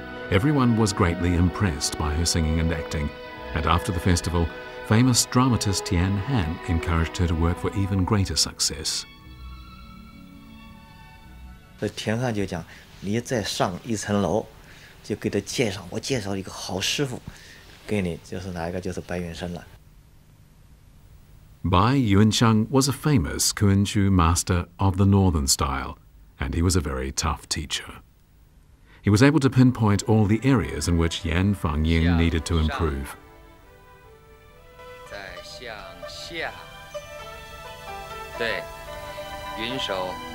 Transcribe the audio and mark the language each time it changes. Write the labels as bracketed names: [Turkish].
[English] Everyone was greatly impressed by her singing and acting, and after the festival, famous dramatist Tian Han encouraged her to work for even greater success. [Chinese] 所以田汉就讲，你再上一层楼，就给他介绍，我介绍一个好师傅，给你就是哪一个就是白云生了。 [English] Bai Yunsheng was a famous Kunqu master of the Northern style, and he was a very tough teacher. He was able to pinpoint all the areas in which Yan Fengying needed to improve. [Chinese] 再向下，对，云手。